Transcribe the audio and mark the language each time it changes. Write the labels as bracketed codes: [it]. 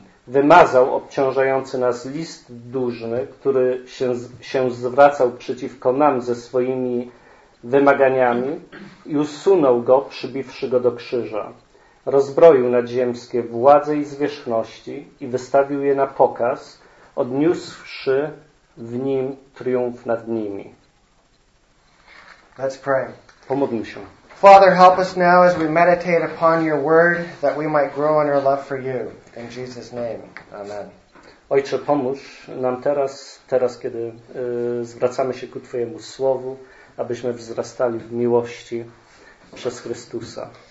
[pl] Wymazał obciążający nas list dłużny, który się zwracał przeciwko nam ze swoimi wymaganiami i usunął go, przybiwszy go do krzyża. Rozbroił nadziemskie władze i zwierzchności i wystawił je na pokaz, odniósłszy w Nim triumf nad nimi. [en] Let's pray. [pl] Pomódlmy się. [en] Father, help us now as we meditate upon your word, that we might grow in our love for you. In Jesus' name. Amen. [pl] Ojcze, pomóż nam teraz kiedy zwracamy się ku Twojemu Słowu, abyśmy wzrastali w miłości przez Chrystusa.